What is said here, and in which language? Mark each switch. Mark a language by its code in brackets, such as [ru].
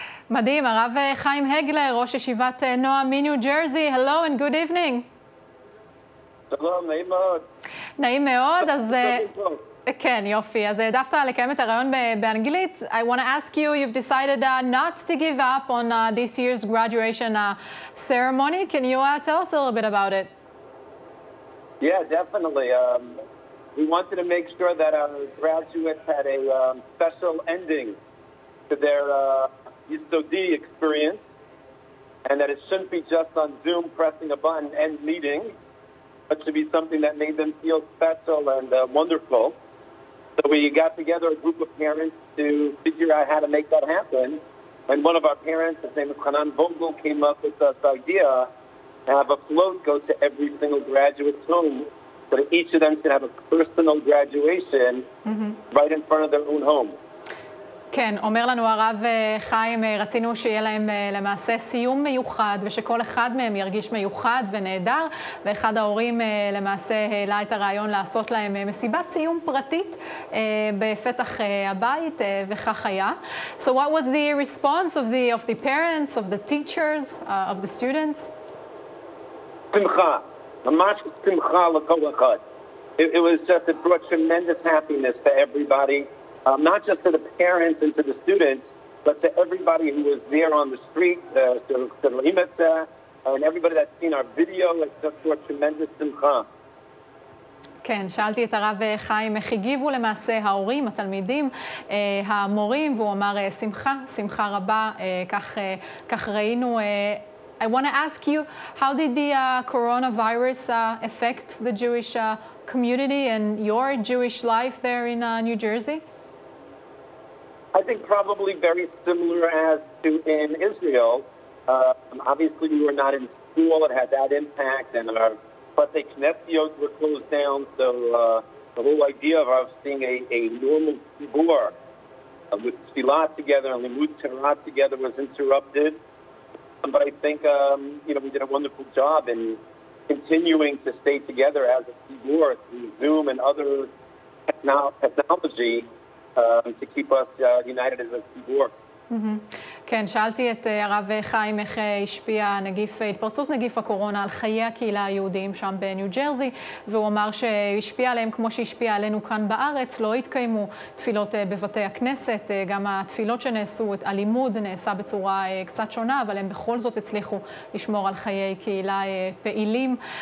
[he] מדהים, הרב חיים הגלר, ראש ישיבת נועם מניו ג'רזי, [en] הלו וגוד איבנינג. [he] שלום, נעים מאוד. נעים מאוד, אז... כן, יופי. אז העדפת לקיים את הרעיון באנגלית. [en] I want to ask you, you've decided not to give up on this year's graduation ceremony. Can you tell us a little bit about it? Yeah, definitely. We wanted to make sure that our graduates had a special ending to their UCSD experience, and that it shouldn't be just on Zoom pressing a button and meeting, but should be something that made them feel special and wonderful. So we got together a group of parents to figure out how to make that happen, and one of our parents, his name is Hanan Vogel, came up with this idea to have a float go to every single graduate's home, so that each of them should have a personal graduation right in front of their own home. [he] כן, אומר לנו הרב חיים, רצינו שיהיה להם למעשה סיום מיוחד, ושכל אחד מהם ירגיש מיוחד ונהדר, ואחד ההורים למעשה העלה את הרעיון לעשות להם מסיבת סיום פרטית בפתח הבית, וכך היה. [en] So what was the response of the, parents, of the teachers, of the students? [he] שמחה, ממש שמחה לכל אחד. [en] It was just, it brought tremendous happiness to everybody. Not just to the parents and to the students, but to everybody who was there on the street, to Limata, and everybody that's seen our video, it's just for a tremendous simcha. [he] כן, שאלתי את הרב חיים, איך הגיבו למעשה ההורים, התלמידים, המורים, והוא אמר, שמחה, שמחה רבה, כך ראינו. [en] I want to ask you, how did the coronavirus affect the Jewish community and your Jewish life there in New Jersey? I think probably very similar as to in Israel. Obviously, we were not in school. It had that impact. And our Batei Knessiot were closed down. So the whole idea of us seeing a normal tzibur with tefillah together and limud Torah together was interrupted. But I think, we did a wonderful job in continuing to stay together as a tzibur through Zoom and other technology. To keep us united as a tzibur. [he] כן, שאלתי את הרב חיים איך השפיע נגיף, התפרצות נגיף הקורונה על חיי הקהילה היהודיים שם בניו ג'רזי, והוא אמר שהשפיע עליהם כמו שהשפיע עלינו כאן בארץ, לא התקיימו תפילות בבתי הכנסת, גם התפילות שנעשו, הלימוד נעשה בצורה קצת שונה, אבל הם בכל זאת הצליחו לשמור על חיי קהילה פעילים.